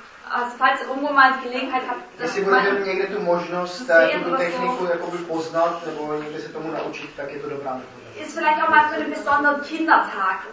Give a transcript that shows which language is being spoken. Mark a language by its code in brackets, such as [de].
[de] Also falls ihr irgendwo mal die Gelegenheit habt, [cs] jestli budete někde tu možnost tuto techniku jakoby poznat nebo někde se tomu naučit, tak je to dobrá metoda. [de] Ist vielleicht auch mal für einen besonderen Kindertag.